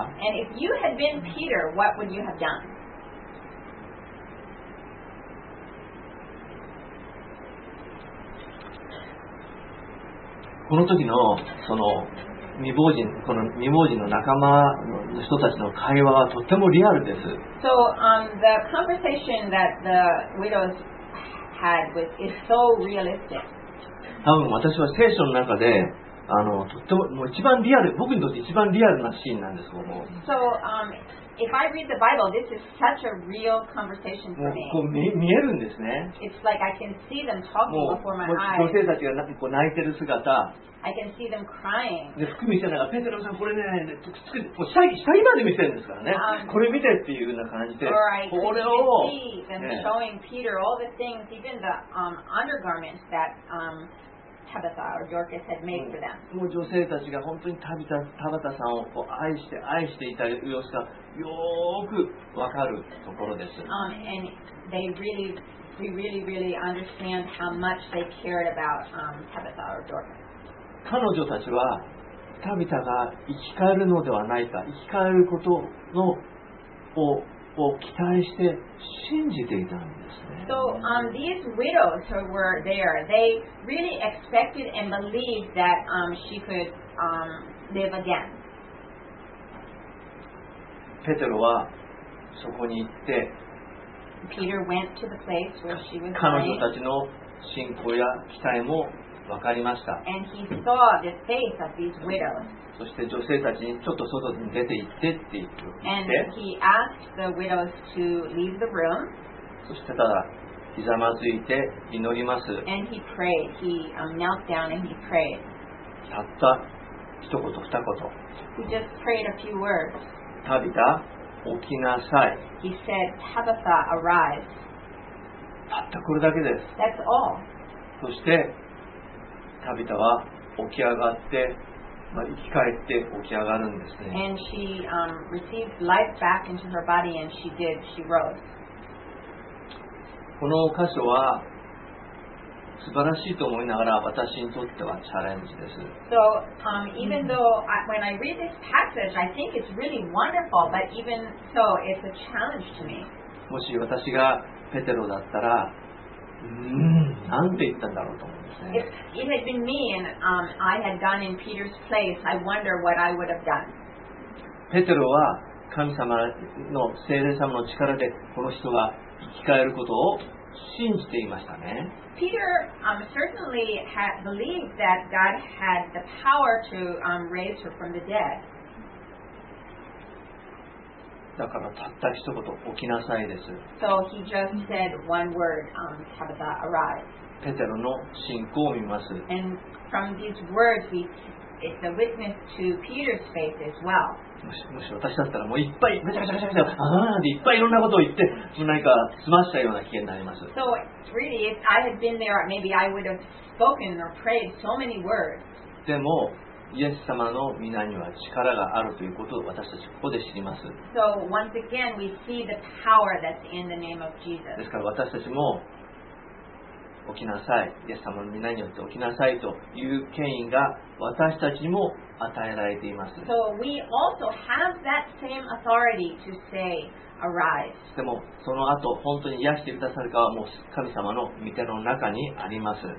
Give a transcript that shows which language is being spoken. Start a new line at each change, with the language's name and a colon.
English: And if you had been Peter, what would you have done?
Japanese: この時のその未亡人この未亡人の仲間の人たちの会話はとてもリアルです。
English: So, the conversation that the widows had with is so realistic.
Japanese: 多分私は聖書の中でとってももう一番リアル僕にとって一番リアルなシーンなんですけども。
English: So, if I read the Bible, this is such a real conversation for me.
Japanese: もう見えるんですね。
English: It's like I can see them talking before my eyes.
Japanese: 女性たちが泣いてる姿。
English: I can see them crying.
Japanese: で、服見せながら、ペテロさんこれね、下着まで見せるんですからね。これ見てっていうような感じで、これを。
English: Or I can see them showing Peter all the things, even the, undergarments that, Tabitha or Dorcas had made for them.
Japanese: もう女性たちが本当にタビタさんをこう愛して愛していた様子が。よくわかるところです。
English: And they really, we really, really understand how much they cared about, Tabitha or Dorcas.
Japanese: 彼女たちはタビタが生き返るのではないか、生き返ることのを期待して信じていたんですね。
English: So, these widows who were there, they really expected and believed that, she could, live again.
Japanese: ペテロはそこに行って
English: Peter went to the place where she was
Japanese: 彼女たちの信仰や期待も分かりました
English: And he saw the faith of these widows.
Japanese: そして女性たちにちょっと外に出て行ってって言って
English: And he asked the widows to leave the room.
Japanese: そしてただひざまずいて祈ります
English: And he prayed. He, knelt down and he prayed.
Japanese: たった一言二言
English: He just prayed a few words
Japanese: タビタ、起きなさい。
English: He said, Tabitha, arise.
Japanese: たったこれだけです。
English: That's all.
Japanese: そして、タビタは起き上がって、まあ、生き返って起き上がるんですね。
English: And she, received life back into her body and she did, she rose.
Japanese: この箇所は素晴らしいと思いながら私にとってはチャレンジです。
English: So, even though when I read this passage, I think it's really wonderful, but even so, it's a challenge to me.
Japanese: もし私がペテロだったら、なんて言ったんだろうと思うんですね。
English: If it had been me and I had gone in Peter's place, I wonder what I would have done.
Japanese: ペテロは神様の聖霊様の力でこの人が生き返ることを信じていましたね。
English: Peter certainly had believed that God had the power to raise her from the dead.
Japanese: だからたった一言起きなさいです。
English: So he just said one word, Tabitha, arise.
Japanese: ペテロの信仰を見ます。
English: And from these words, it's a witness to Peter's faith as well.
Japanese: もし私だったらもういっぱいめちゃめちゃめちゃめちゃああでいっぱいいろんなことを言って何か済ましたような危険になります。
English: So really, if I had been there, maybe I would have spoken or prayed so many words.
Japanese: でもイエス様の御名には力があるということを私たちここで知ります。
English: So once again, we see the power that's in the name of Jesus.
Japanese: ですから私たちも起きなさい、イエス様の御名によって起きなさいという権威が私たちにも与えられています。
English: So we also have that same authority to say, arise.
Japanese: でもその後本当に癒してくださるかはもう神様の御手の中にあります。